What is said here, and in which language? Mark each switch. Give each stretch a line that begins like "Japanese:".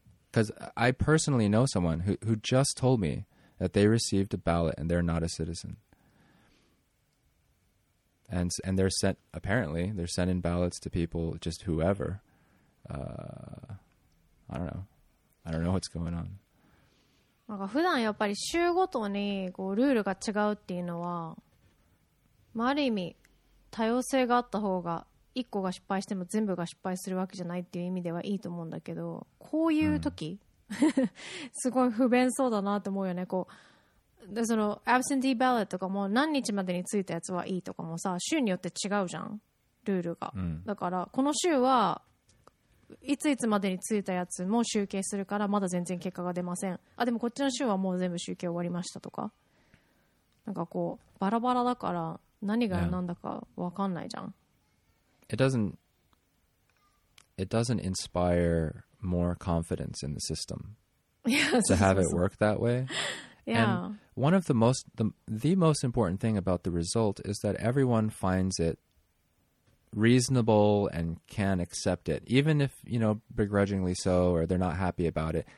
English: Because I personally know someone who just told me that they received a ballot and they're not a citizen. And they're sent, apparently, they're sending ballots to people, just whoever. I don't know. I don't know what's going on.
Japanese: なんか普段やっぱり州ごとにこうルールが違うっていうのは、まあ、ある意味多様性があった方が一個が失敗しても全部が失敗するわけじゃないっていう意味ではいいと思うんだけど、こういう時、すごい不便そうだなと思うよね。こうでそのアブセンティーバレットとかも何日までについたやつはいいとかもさ、州によって違うじゃんルールが、だからこの州はいついつまでについたやつも集計するからまだ全然結果が出ません。あ、でもこっちの州はもう全部集計終わりましたとか。なんかこうバラバラだから何がなんだか分かんないじゃん。
English: It doesn't inspire more confidence in the system to have it work that way. Yeah. And one of the most important thing about the result is that everyone finds it reasonable and can accept it, even if, you know, begrudgingly so, or they're not happy about it.